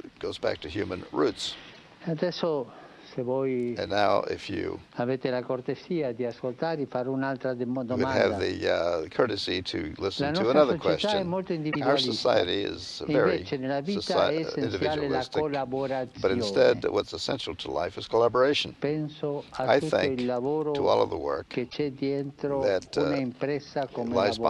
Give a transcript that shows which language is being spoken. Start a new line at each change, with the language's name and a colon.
English: Goes back to human roots.
Italian: Adesso, se voi avete la cortesia di ascoltare e fare un'altra domanda.
English: Courtesy to listen la to another question.
Italian: È molto individualista. Invece nella vita è essenziale la collaborazione.
English: But instead, what's essential to life is collaboration.
Italian: Penso a tutto il lavoro che c'è dietro un'impresa come la vostra.